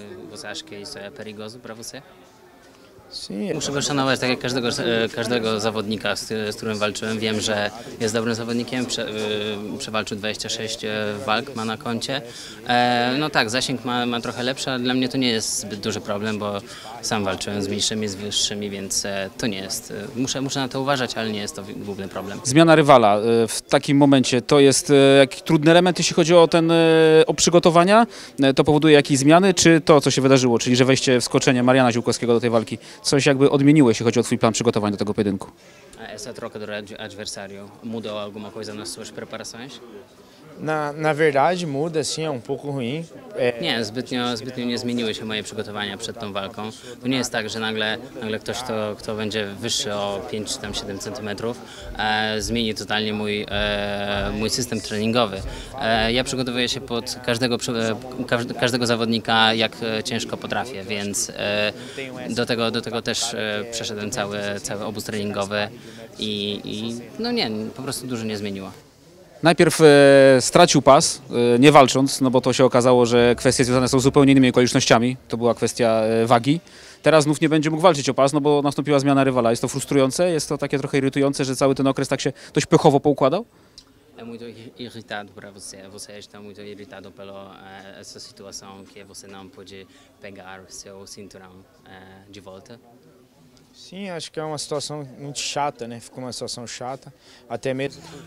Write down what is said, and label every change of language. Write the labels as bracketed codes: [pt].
[pt] Você acha que isso é perigoso para você? [pl] Muszę go szanować tak jak każdego zawodnika, z którym walczyłem. Wiem, że jest dobrym zawodnikiem, przewalczył 26 walk, ma na koncie. No tak, zasięg ma trochę lepszy, ale dla mnie to nie jest zbyt duży problem, bo sam walczyłem z mniejszymi, z wyższymi, więc to nie jest. Muszę na to uważać, ale nie jest to główny problem. Zmiana rywala w takim momencie to jest jakiś trudny element, jeśli chodzi o o przygotowania. To powoduje jakieś zmiany, czy to, co się wydarzyło, czyli że wejście, wskoczenie Mariana Ziółkowskiego do tej walki, coś jakby odmieniło, jeśli chodzi o twój plan przygotowań do tego pojedynku? [pt] Essa troca do adversário mudou alguma coisa nas suas preparações? Na verdade muda, sim, é um pouco ruim. [pl] Nie, zbytnio nie zmieniły się moje przygotowania przed tą walką. To nie jest tak, że nagle ktoś, kto będzie wyższy o 5 czy tam 7 centymetrów, zmieni totalnie mój system treningowy. Ja przygotowuję się pod każdego zawodnika, jak ciężko potrafię, więc do tego też przeszedłem cały obóz treningowy i no nie, po prostu dużo nie zmieniło. Najpierw stracił pas, nie walcząc, no bo to się okazało, że kwestie związane są z zupełnie innymi okolicznościami. To była kwestia wagi. Teraz znów nie będzie mógł walczyć o pas, no bo nastąpiła zmiana rywala. Jest to frustrujące, jest to takie trochę irytujące, że cały ten okres tak się dość pychowo poukładał? [pt] É muito irritado para você. Você está muito irritado pela essa situação que você não pode pegar seu cinturão de volta. Sim, acho que é uma situação muito chata, né? Ficou uma situação chata, até mesmo.